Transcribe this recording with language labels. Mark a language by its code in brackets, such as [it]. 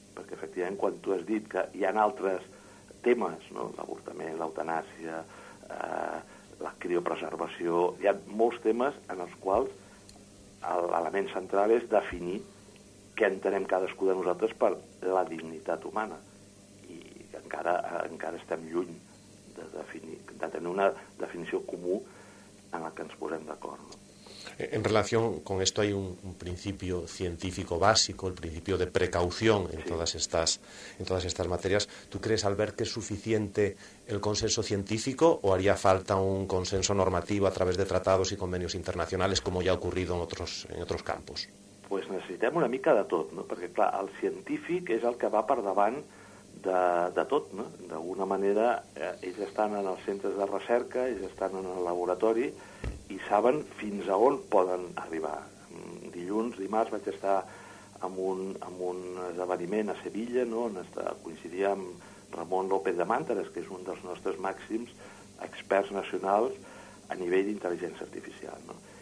[ca] Perquè, efectivament, quan tu has dit que hi ha altres temes, no?, l'avortament, l'eutanàsia, la criopreservació, hi ha molts temes en els quals l'element central és definir què entenem cadascú de nosaltres per la dignitat humana. I encara estem lluny de definir, de tenir una definició comú en la que ens posem d'acord, no? [es] En relación con esto hay un principio científico básico, el principio de precaución en todas estas materias. ¿Tú crees, Albert, que es suficiente el consenso científico o haría falta un consenso normativo a través de tratados y convenios internacionales, como ya ha ocurrido en otros campos? Pues [ca] necesitem una mica de tot, ¿no? [es] Porque, [ca] clar, el científic és el que va per davant de tot, ¿no? D'alguna manera, ells estan en els centres de recerca, ells estan en el laboratori, i saben fins a on poden arribar. Dilluns, dimarts, vaig estar amb un esdeveniment a Sevilla, no?, on coincidia amb Ramon López de Mántares, que és un dels nostres màxims experts nacionals a nivell d'intel·ligència artificial, no?